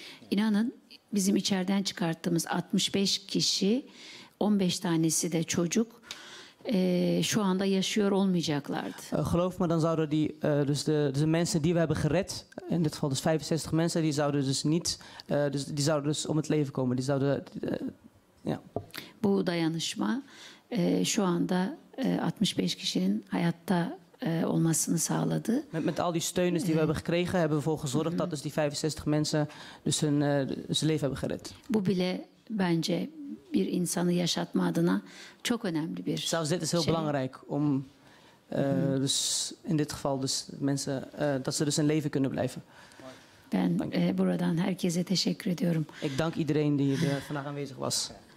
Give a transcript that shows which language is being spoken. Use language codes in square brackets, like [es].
[tr] İnanın, bizim içeriden çıkarttığımız 65 kişi, 15 tanesi de çocuk. Şu anda yaşıyor olmayacaklardı. [nl] Geloof me, dan zouden die dus de mensen die we hebben gered, in dit geval dus 65 mensen, die zouden dus niet die zouden dus om het leven komen. Die zouden ja. [tr] Bu dayanışma şu anda 65 kişinin hayatta olmasını sağladı. [nl] Met al die steun die we hebben gekregen, hebben we ervoor gezorgd dat dus die 65 mensen dus hun leven hebben gered. [tr] Bu bile bence bir insanı yaşatma adına çok önemli bir şey. [nl] Zelfs dit is heel belangrijk om dus in dit geval dus mensen dat ze dus in leven kunnen blijven. [tr] Ben buradan herkese teşekkür ediyorum. [nl] Ik dank iedereen die er vandaag aanwezig was.